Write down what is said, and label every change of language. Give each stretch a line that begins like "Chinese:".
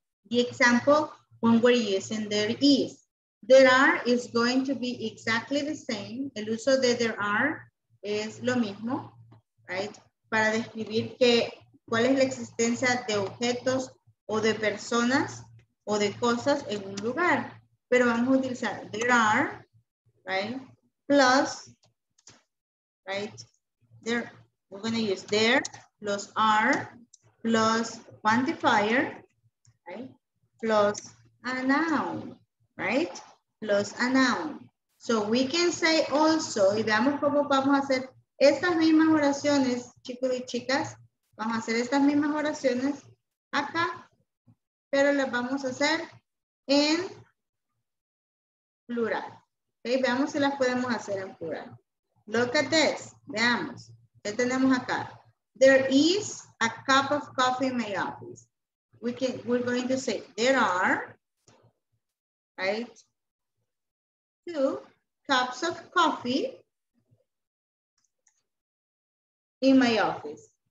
English: The example when we're using there are is going to be exactly the same.
Spanish: El uso de there are es lo mismo, right? Para describir que cuál es la existencia de objetos o de personas o de cosas en un lugar. Pero vamos a utilizar there are, right?
English: Plus, right? There, we're going to use there plus are plus quantifier, right? Plus a noun, right? Plus a noun. So we can say also,
Spanish: y veamos cómo vamos a hacer estas mismas oraciones, chicos y chicas. Vamos a hacer estas mismas oraciones acá, pero las vamos a hacer en plural. Okay, veamos si las podemos hacer en plural.
English: Look at this.
Spanish: Veamos. ¿Qué tenemos acá?
English: There is a cup of coffee in my office. We're going to say there are, right? Two cups of coffee in my office.